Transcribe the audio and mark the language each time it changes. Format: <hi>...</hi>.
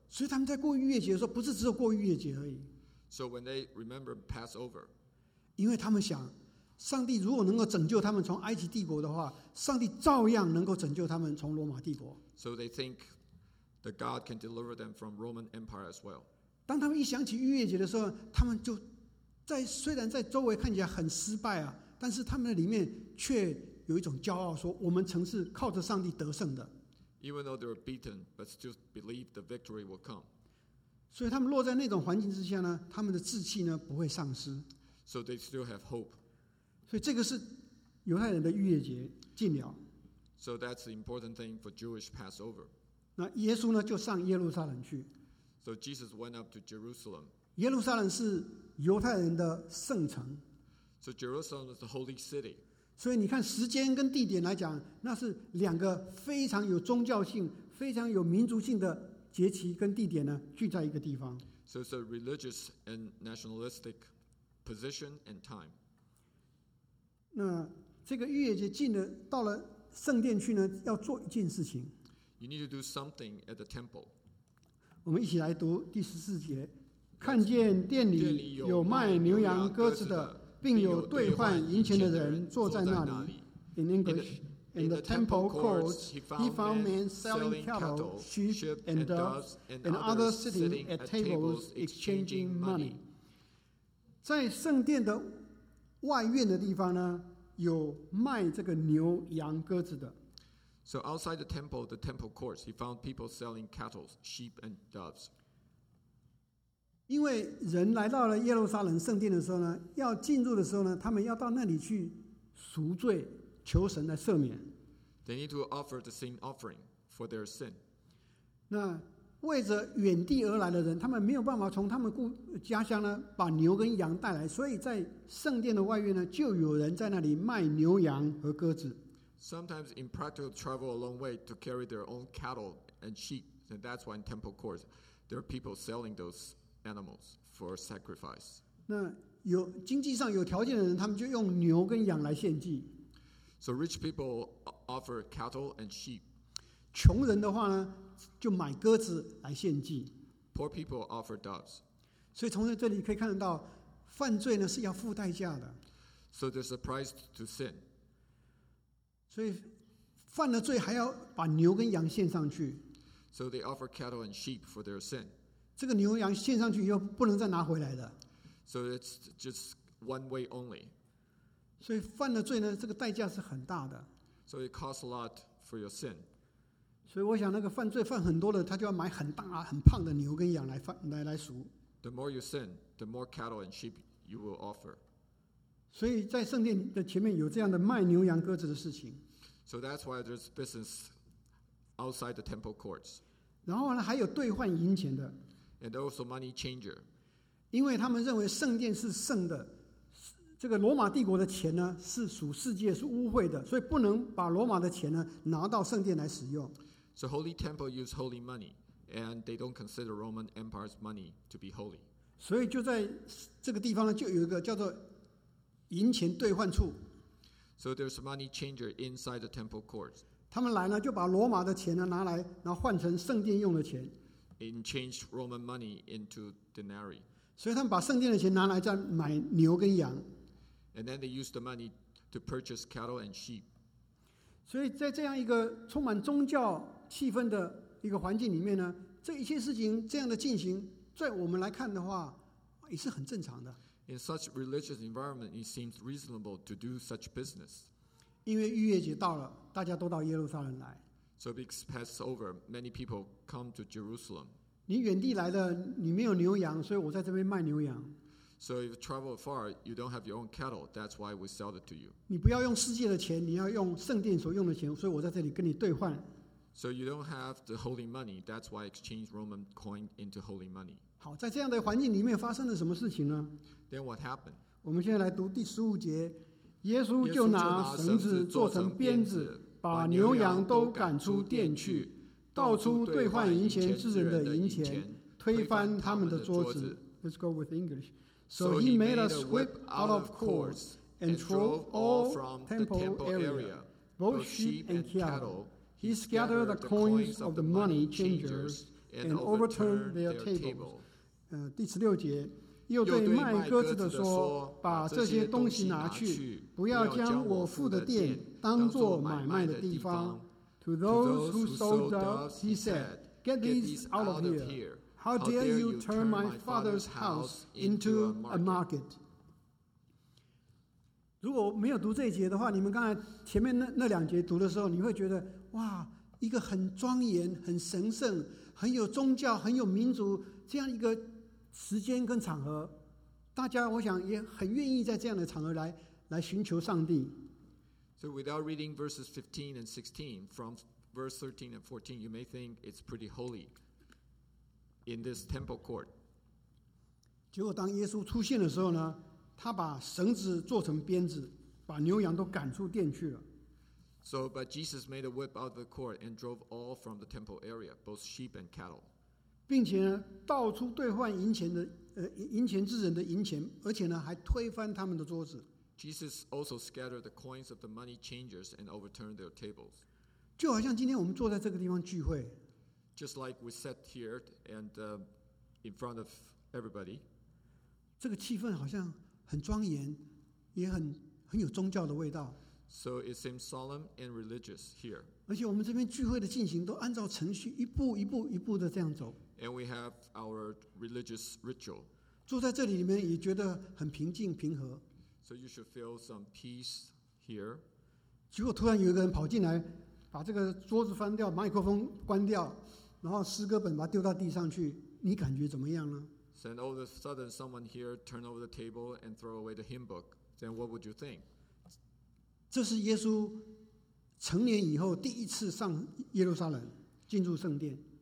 <zh>所以他们在过逾越节的时候，不是只有过逾越节而已。</zh> <en>So when they remember Passover,</en> <zh>因为他们想。上帝如果能够拯救他们从埃及帝国的话，上帝照样能够拯救他们从罗马帝国。</zh> <en>So they think that God can deliver them from Roman Empire as well.</en> <zh>当他们一想起逾越节的时候，他们就在虽然在周围看起来很失败啊，但是他们的里面却有一种骄傲，说我们曾是靠着上帝得胜的。</zh> <en>Even though they were beaten, but still believe the victory will come.</en> <zh>所以他们落在那种环境之下呢，他们的志气呢不会丧失。</zh> <en>So they still have hope.</en> <zh>所以这个是犹太人的逾越节纪念。</zh> <en>So that's the important thing for Jewish Passover.</en> <zh>那耶稣呢就上耶路撒冷去。</zh> <en>So Jesus went up to Jerusalem.</en> <zh>耶路撒冷是犹太人的圣城。</zh> <en>So Jerusalem is the holy city.</en> <zh>所以你看时间跟地点来讲，那是两个非常有宗教性、非常有民族性的节期跟地点呢聚在一个地方。</zh> <en>So it's a religious and nationalistic position and time.</en> <zh>那这个逾越节进了到了圣殿去呢，要做一件事情。</zh> <en>You need to do something at the temple.</en> <zh>我们一起来读第十四节，看见殿里有卖牛羊鸽子的，并有兑换银钱的人坐在那里。</zh> <en>In English, in the temple courts, he found men selling cattle, sheep and doves, and others sitting at tables exchanging money.</en> <zh>在圣殿的外院的地方呢，有卖这个牛羊鸽子的。</zh> <en>So outside the temple courts, he found people selling cattle, sheep, and doves.</en> <zh>因为人来到了耶路撒冷圣殿的时候呢，要进入的时候呢，他们要到那里去赎罪，求神来赦免。</zh> <en>They need to offer the sin offering for their sin.</en> <zh>那为着远地而来的人，他们没有办法从他们家乡呢把牛跟羊带来，所以在圣殿的外院呢，就有人在那里卖牛羊和鸽子。</zh> <en>Sometimes impractical travel a long way to carry their own cattle and sheep, and that's why in temple courts there are people selling those animals for sacrifice.</en> <zh>那有经济上有条件的人，他们就用牛跟羊来献祭。</zh> <en>So rich people offer cattle and sheep.</en> <zh>穷人的话呢？就买鸽子来献祭。</zh> <en>Poor people offer doves.</en> <zh>所以从这里可以看得到，犯罪呢是要付代价的。</zh> <en>So there's a price to sin.</en> <zh>所以犯了罪还要把牛跟羊献上去。</zh> <en>So they offer cattle and sheep for their sin.</en> <zh>这个牛羊献上去又不能再拿回来的。</zh> <en>So it's just one way only.</en> <zh>所以犯了罪呢，这个代价是很大的。</zh> <en>So it costs a lot for your sin.</en> <zh>所以我想那个犯罪犯很多的，他就要买很大很胖的牛跟羊来犯来赎。</zh> <en>The more you sin, the more cattle and sheep you will offer.</en> <zh>所以在圣殿的前面有这样的卖牛羊鸽子的事情。</zh> <en>So that's why there's business outside the temple courts.</en> <zh>然后呢，还有兑换银钱的。</zh> <en>And also money changer.</en> <zh>因为他们认为圣殿是圣的，这个罗马帝国的钱呢是属世界是污秽的，所以不能把罗马的钱呢拿到圣殿来使用。</zh> <en>So holy temple use holy money, and they don't consider Roman Empire's money to be holy.</en> <zh>所以就在这个地方呢，就有一个叫做银钱兑换处。</zh> <en>So there's a money changer inside the temple courts.</en> <zh>他们来呢，就把罗马的钱呢拿来，然后换成圣殿用的钱。</zh> <en>And change Roman money into denarii.</en> <zh>所以他们把圣殿的钱拿来再买牛跟羊。</zh> <en>And then they use the money to purchase cattle and sheep.</en> <zh>所以在这样一个充满宗教气氛的一个环境里面呢，这一切事情这样的进行，在我们来看的话，也是很正常的。</zh> <en>In such religious environment, it seems reasonable to do such business.</en> <zh>因为逾越节到了，大家都到耶路撒冷来。</zh> <en>So because Passover, many people come to Jerusalem.</en> <zh>你远地来的，你没有牛羊，所以我在这边卖牛羊。</zh> <en>So if you travel far, you don't have your own cattle. That's why we sell it to you.</en> <zh>你不要用世界的钱，你要用圣殿所用的钱，所以我在这里跟你兑换。</zh> <en>So you don't have the holy money. That's why I exchange Roman coin into holy money.</en> <zh>好，在这样的环境里面发生了什么事情呢？</zh> <en>Then what happened?</en> <zh>我们现在来读第十五节，耶稣就拿绳子做成鞭子，把牛羊都赶出殿去，倒出兑换银钱之人的银钱，推翻他们的桌子。</zh> <en>Let's go with English. So he made a whip out of cords and drove all from the temple area, both sheep and cattle. He scattered the coins of the money changers and overturned their tables.</en> <zh>第十六节，又对卖鸽子的说，把这些东西拿去，不要将我父的店当作买卖的地方。</zh> <en>To those who sold doves, he said, get these out of here. How dare you turn my father's house into a market?</en> <zh>如果没有读这一节的话，你们刚才前面 那两节读的时候，你会觉得哇，一个很庄严、很神圣、很有宗教、很有民族这样一个时间跟场合，大家我想也很愿意在这样的场合 来寻求上帝。</zh> <en>So without reading verses 15 and 16, from verse 13 and 14, you may think it's pretty holy. In this temple court.</en> <zh>结果当耶稣出现的时候呢，他把绳子做成鞭子，把牛羊都赶出殿去了。</zh> <en>So, but Jesus made a whip out of the court and drove all from the temple area, both sheep and cattle.</en> <zh>并且呢，到处兑换银钱的，银钱之人的银钱，而且呢，还推翻他们的桌子。</zh> <en>Jesus also scattered the coins of the money changers and overturned their tables.</en> <zh>就好像今天我们坐在这个地方聚会。</zh> <en>Just like we sat here and in front of everybody.</en> <zh>这个气氛好像很庄严，也很有宗教的味道。</zh> <en>So it seems solemn and religious here.</en> <zh>而且我们这边聚会的进行都按照程序一步一步一步的这样走。</zh> <en>And we have our religious ritual.</en> <zh>坐在这里里面也觉得很平静平和。</zh> <en>So you should feel some peace here.</en> <zh>结果突然有一个人跑进来，把这个桌子翻掉，麦克风关掉。然后诗歌本把它丢到地上去，你感觉怎么样呢？</zh> <en>So all of a sudden someone here turn over the table and throw away the hymn book. Then what would you think?</en> <zh>这是耶稣成年以后第一次上耶路撒冷，进入圣殿。</zh>